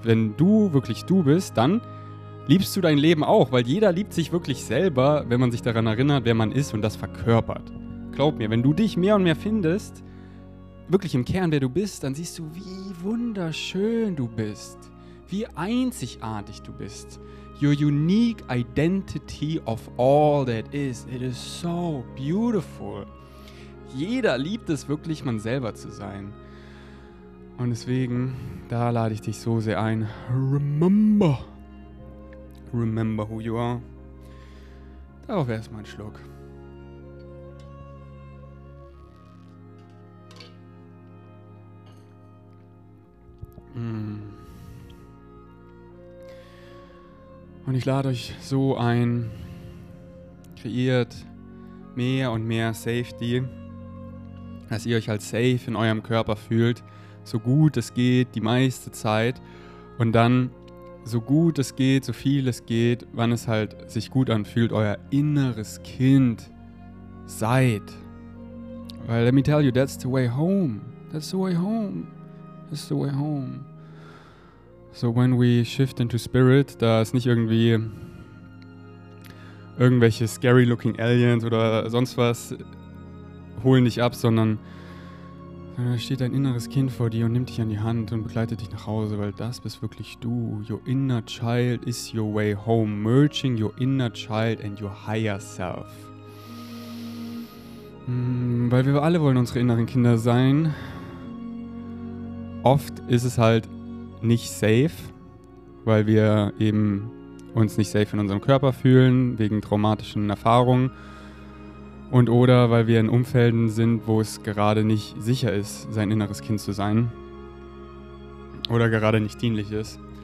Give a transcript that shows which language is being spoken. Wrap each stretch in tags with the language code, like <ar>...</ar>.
<de>Wenn du wirklich du bist, dann liebst du dein Leben auch. Weil jeder liebt sich wirklich selber, wenn man sich daran erinnert, wer man ist und das verkörpert. Glaub mir, wenn du dich mehr und mehr findest, wirklich im Kern, wer du bist, dann siehst du, wie wunderschön du bist, wie einzigartig du bist.</de> <en>Your unique identity of all that is, it is so beautiful.</en> <de>Jeder liebt es wirklich, man selber zu sein. Und deswegen, da lade ich dich so sehr ein.</de> <en>Remember. Remember who you are.</en> <de>Darauf erstmal einen Schluck. Und ich lade euch so ein, kreiert mehr und mehr Safety, dass ihr euch halt safe in eurem Körper fühlt, so gut es geht, die meiste Zeit. Und dann, so gut es geht, so viel es geht, wann es halt sich gut anfühlt, euer inneres Kind seid.</de> <en>Well, let me tell you, that's the way home. That's the way home. That's the way home. So when we shift into spirit,</en> <de>da ist nicht irgendwie irgendwelche scary looking aliens oder sonst was holen dich ab, sondern da steht dein inneres Kind vor dir und nimmt dich an die Hand und begleitet dich nach Hause, weil das bist wirklich du.</de> <en>Your inner child is your way home, merging your inner child and your higher self.</en> <de>Weil wir alle wollen unsere inneren Kinder sein. Oft ist es halt nicht safe, weil wir eben uns nicht safe in unserem Körper fühlen, wegen traumatischen Erfahrungen und oder weil wir in Umfelden sind, wo es gerade nicht sicher ist, sein inneres Kind zu sein oder gerade nicht dienlich ist.</de>